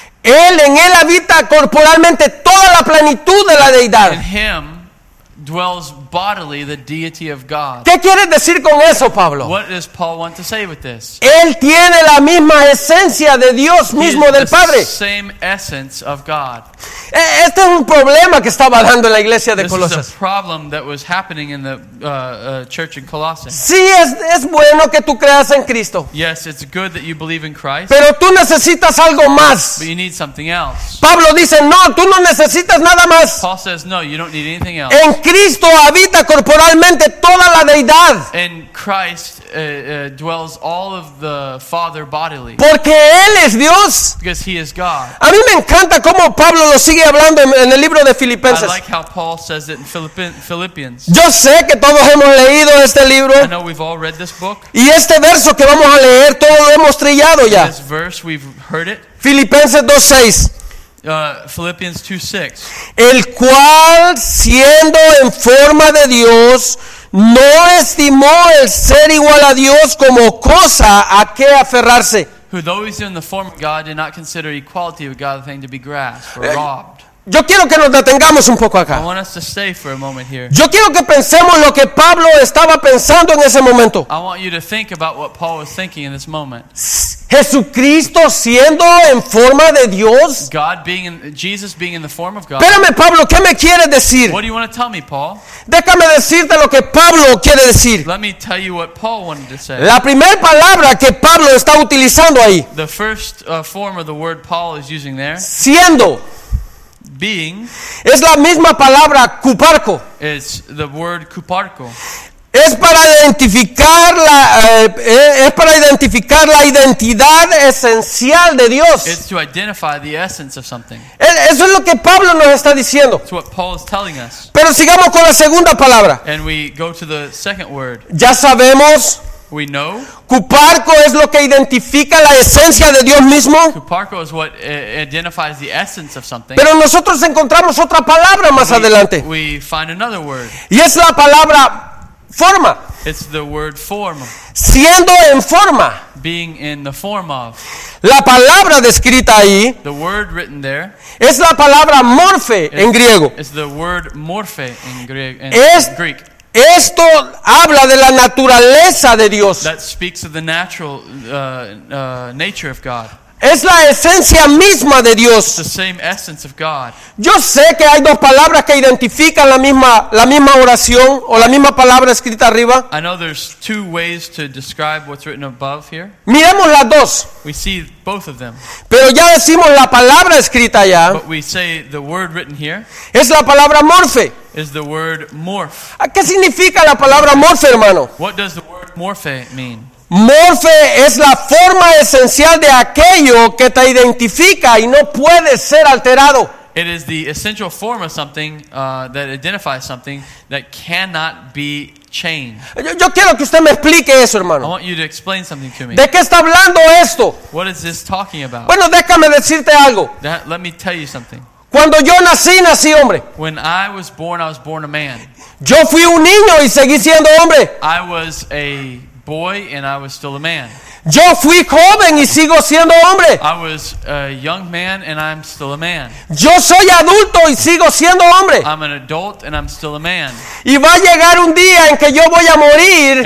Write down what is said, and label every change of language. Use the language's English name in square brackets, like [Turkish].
[Spanish] Él en él habita corporalmente toda la plenitud de la deidad. [English] In him dwells bodily the deity of God. [Spanish] ¿Qué quiere decir con eso, Pablo? [English] What does Paul want to say with this? [Spanish] Él tiene la misma esencia de Dios mismo, del Padre. [English] The same essence of God. [Spanish] Este es un problema que estaba dando en la iglesia de Colosas. [English] This is a problem that was happening in the church in Colossae. [Spanish] Sí, es bueno que tú creas en Cristo. [English] Yes, it's good that you believe in Christ. [Spanish] Pero tú necesitas algo más. [English] But you need something else. [Spanish] Pablo dice, no, tú no necesitas nada más. [English] Paul says, no, you don't need anything else. [Spanish] En Cristo habita corporalmente toda la deidad. [English] In Christ dwells all of the Father bodily. [Spanish] Porque él es Dios. [English] Because he is God. [Spanish] A mí me encanta cómo Pablo lo sigue hablando en el libro de Filipenses. [English] I like how Paul says it in Philippians. [Spanish] Yo sé que todos hemos leído este libro. [English] I know we've all read this book. [Spanish] Y este verso que vamos a leer, todos lo hemos trillado ya. [English] This verse we've heard it. [Spanish] Filipenses 2:6. [English] Philippians 2:6. [Spanish] El cual siendo en forma de Dios no estimó el ser igual a Dios como cosa a que aferrarse. [English] Who though he was in the form of God did not consider equality of God a thing to be grasped or robbed. [Spanish] Yo quiero que nos detengamos un poco acá. [English] I want us to stay for a moment here. [Spanish] Yo quiero que pensemos lo que Pablo estaba pensando en ese momento. [English] I want you to think about what Paul was thinking in this moment. [Spanish] Jesucristo siendo en forma de Dios. [English] God being in, Jesus being in the form of God. [Spanish] Espérame, Pablo, ¿qué me quieres decir? [English] What do you want to tell me, Paul? [Spanish] Déjame decirte lo que Pablo quiere decir. [English] Let me tell you what Paul wanted to say. [Spanish] La primera palabra que Pablo está utilizando ahí. [English] The first form of the word Paul is using there. [Spanish] Siendo. [English] Being. [Spanish] Es la misma palabra kuparko. [English] It's the word kuparko. [Spanish] Es para identificar la identidad esencial de Dios. [English] It's to identify the essence of something. [Spanish] Eso es lo que Pablo nos está diciendo. [English] It's what Paul is telling us. [Spanish] Pero sigamos con la segunda palabra. [English] And we go to the second word. [Spanish] Ya sabemos. [English] We know. [Spanish] Kuparko es lo que identifica la esencia de Dios mismo. [English] Kuparko is what identifies the essence of something. [Spanish] Pero nosotros encontramos otra palabra más adelante. [English] We find another word. [Spanish] Y es la palabra forma. [English] It's the word form. [Spanish] Siendo en forma. [English] Being in the form of. [Spanish] La palabra descrita ahí. [English] The word written there. [Spanish] Es la palabra morphe en griego. [English] It's the word morphe in Greek. [Spanish] Esto habla de la naturaleza de Dios. [English] That speaks of the natural nature of God. [Spanish] Es la esencia misma de Dios. [English] It's the same essence of God. [Spanish] Yo sé que hay dos palabras que identifican la misma oración o la misma palabra escrita arriba. [English] I know there's two ways to describe what's written above here. [Spanish] Miremos las dos. [English] We see both of them. [Spanish] Pero ya decimos la palabra escrita allá. [English] But we say the word written here. [Spanish] Es la palabra morfe. [English] is the word morph. [Spanish] ¿Qué significa la palabra morph, hermano? [English] What does the word morphe mean? [Spanish] Morphe es la forma esencial de aquello que te identifica y no puede ser alterado. [English] It is the essential form of something that identifies something that cannot be changed. [Spanish] Yo quiero que usted me explique eso, hermano. [English] I want you to explain something to me. [Spanish] ¿De qué está hablando esto? [English] What is this talking about? [Spanish] Bueno, déjame decirte algo. [English] Let me tell you something. [Spanish] Cuando yo nací, nací hombre. [English] When I was born, I was born a man. [Spanish] Yo fui un niño y seguí siendo hombre. [English] I was a boy and I was still a man. [Spanish] Yo fui joven y sigo siendo hombre. [English] I was a young man and I'm still a man. [Spanish] Yo soy adulto y sigo siendo hombre. [English] I'm an adult and I'm still a man. [Spanish] Y va a llegar un día en que yo voy a morir.